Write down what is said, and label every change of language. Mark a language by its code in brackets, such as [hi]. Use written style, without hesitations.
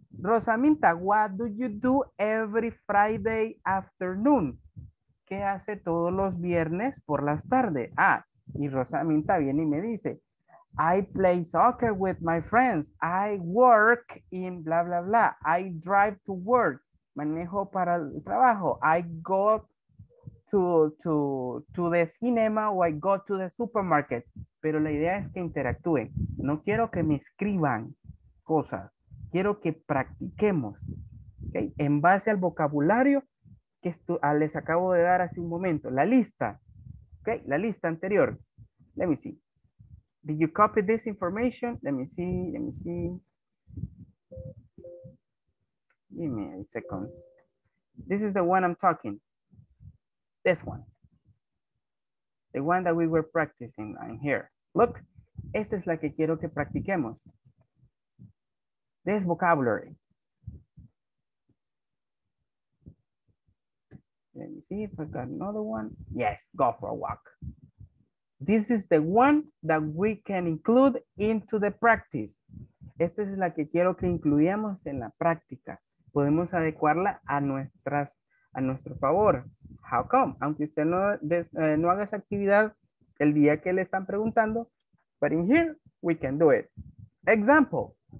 [en] Rosaminta, what do you do every Friday afternoon? [es] ¿Qué hace todos los viernes por las tardes? Ah, y Rosaminta viene y me dice, [en] I play soccer with my friends. I work in bla, bla, bla. I drive to work. [es] Manejo para el trabajo. [en] I go to the cinema or I go to the supermarket. [es] Pero la idea es que interactúen. No quiero que me escriban cosas. Quiero que practiquemos, ¿okay? En base al vocabulario que les acabo de dar hace un momento. La lista, ¿okay? La lista anterior. [en] Let me see. Did you copy this information? Let me see. Give me a second. This is the one I'm talking. This one. The one that we were practicing in here. Look, [es] esta es la que quiero que practiquemos. [en] This vocabulary. Let me see if I got another one. Yes, go for a walk. This is the one that we can include into the practice. [es] Esta es la que quiero que incluyamos en la práctica. Podemos adecuarla a nuestro favor. [en] How come? [es] Aunque usted no haga esa actividad el día que le están preguntando, [en] but in here, we can do it. Example.